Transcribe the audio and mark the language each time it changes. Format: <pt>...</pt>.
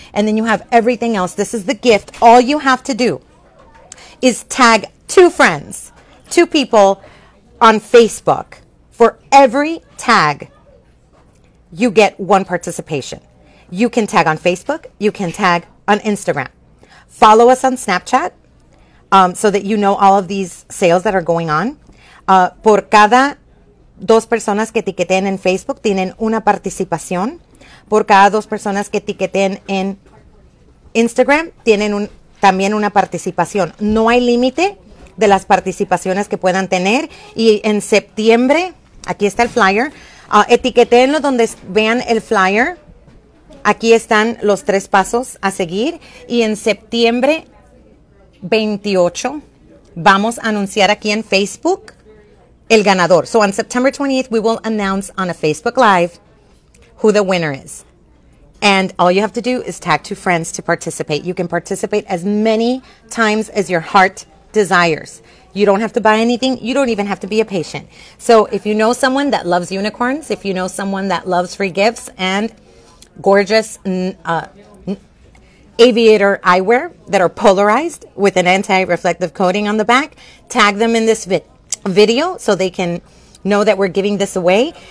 <en>And then you have everything else. This is the gift. All you have to do is tag two friends, two people on Facebook. For every tag, you get one participation. You can tag on Facebook. You can tag on Instagram. Follow us on Snapchat so that you know all of these sales that are going on.</en> <es>Por cada dos personas que etiqueten en Facebook, tienen una participación. Por cada dos personas que etiqueten en Instagram, tienen también una participación. No hay límite de las participaciones que puedan tener. Y en septiembre, aquí está el flyer, etiquetenlo donde vean el flyer. Aquí están los tres pasos a seguir. Y en septiembre 28, vamos a anunciar aquí en Facebook el ganador.</es> <en>So on September 28th, we will announce on a Facebook Live who the winner is. And all you have to do is tag two friends to participate. You can participate as many times as your heart desires. You don't have to buy anything. You don't even have to be a patient. So if you know someone that loves unicorns, if you know someone that loves free gifts and gorgeous aviator eyewear that are polarized with an anti-reflective coating on the back, tag them in this video so they can know that we're giving this away.</en>